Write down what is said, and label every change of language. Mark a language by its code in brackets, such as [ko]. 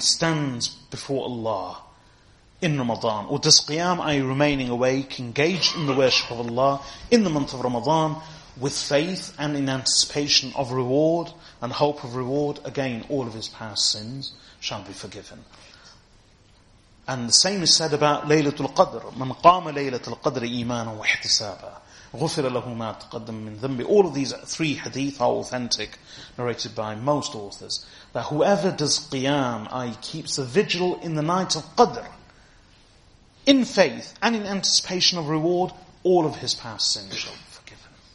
[en] stands before Allah in Ramadan, or does qiyam, i.e. remaining awake, engaged in the worship of Allah in the month of Ramadan, with faith and in anticipation of reward and hope of reward, again, all of his past sins shall be forgiven. And the same is said about Laylatul Qadr. [ar] من قام Laylatul Qadr إيمانا واحتسابا غفر له ما تقدم من ذنبي. [en] All of these three hadith are authentic, narrated by most authors, that whoever does qiyam, i.e. keeps the vigil in the night of Qadr, in faith and in anticipation of reward, all of his past sins shall be forgiven.